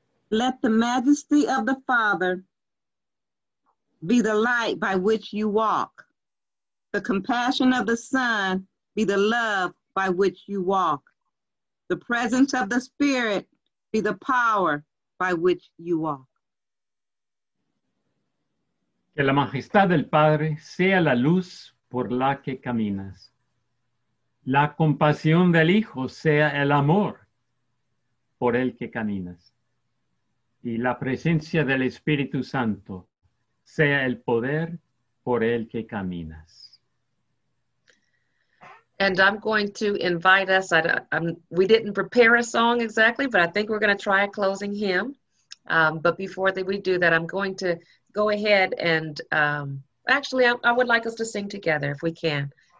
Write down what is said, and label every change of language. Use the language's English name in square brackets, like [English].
[English] Let the majesty of the Father be the light by which you walk. The compassion of the Son be the love by which you walk. The presence of the Spirit be the power by which you walk. [Spanish] Que la majestad del Padre sea la luz por la que caminas. La compasión del Hijo sea el amor por el que caminas. Y la presencia del Espíritu Santo sea el poder por el que caminas. [English] And I'm going to invite us, we didn't prepare a song exactly, but I think we're going to try a closing hymn. But before that we do that, I'm going to go ahead and, I would like us to sing together if we can.